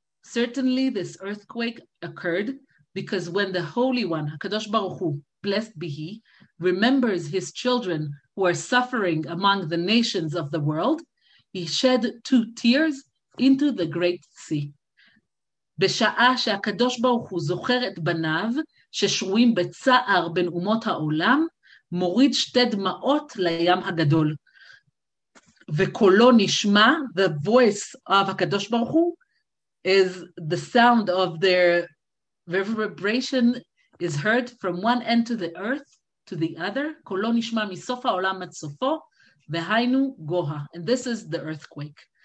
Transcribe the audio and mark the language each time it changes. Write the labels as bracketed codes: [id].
[en] Certainly this earthquake occurred because when the Holy One, HaKadosh Baruch Hu, blessed be He, remembers His children who are suffering among the nations of the world, he shed two tears into the great sea. [he] בשעה שהקדוש ברוך הוא זוכר את בניו ששרויים בצער בין אומות העולם, מוריד שתי דמעות לים הגדול. וקולו נשמע, [en] the voice of הקדוש ברוך הוא, is the sound of their reverberation is heard from one end to the earth to the other. [he] קולו נשמע מסוף העולם עד סופו, Behainu Goha, [en] and this is the earthquake.